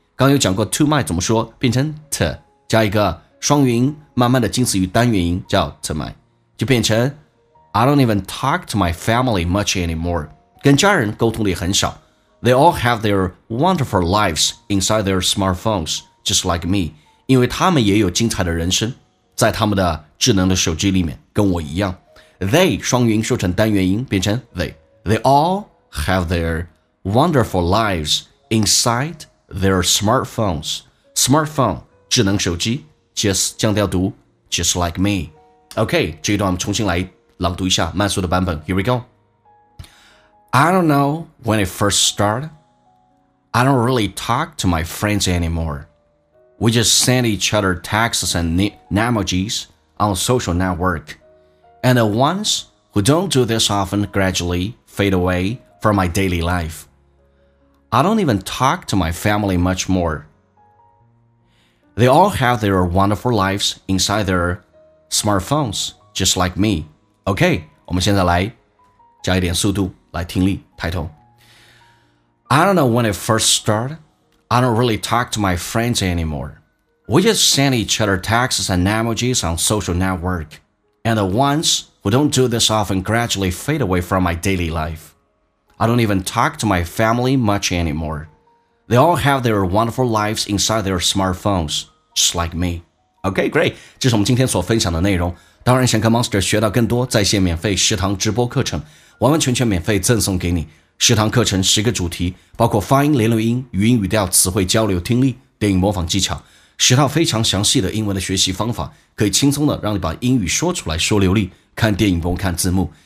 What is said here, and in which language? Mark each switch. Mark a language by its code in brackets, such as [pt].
[zh] 刚有讲过 to my 怎么说，变成 t 加一个双元音，慢慢的近似于单元音，叫 to my， 就变成 [en] I don't even talk to my family much anymore， [zh] 跟家人沟通的也很少。 [en] They all have their wonderful lives inside their smartphones just like me， [zh] 因为他们也有精彩的人生在他们的智能的手机里面，跟我一样。 [en] They [zh] 双元音说成单元音，变成 [en] They all have their wonderful lives inside their smartphones。 Smartphone 智能手机，Just 降调读 ，just like me。 [zh] OK， 这一段我们重新来朗读一下慢速的版本。 [en] Here we go。 I don't know when it first started. I don't really talk to my friends anymore. We just send each other texts and emojis on social network. And the ones who don't do this often gradually fade away from my daily life. I don't even talk to my family much more. They all have their wonderful lives inside their smartphones, just like me. [zh] OK, 我们现在来加一点速度来听力抬头。 [en] I don't know when it first started. I don't really talk to my friends anymore. We just send each other texts and emojis on social network. And the ones who don't do this often gradually fade away from my daily life. I don't even talk to my family much anymore. They all have their wonderful lives inside their smartphones, just like me. OK, great. [zh] 这是我们今天所分享的内容。当然想跟 Monster 学到更多在线免费食堂直播课程，完完全全免费赠送给你。食堂课程十个主题，包括发音、连读音、语音语调、词汇交流、听力、电影模仿技巧，十套非常详细的英文的学习方法，可以轻松的让你把英语说出来说流利，看电影不用看字幕。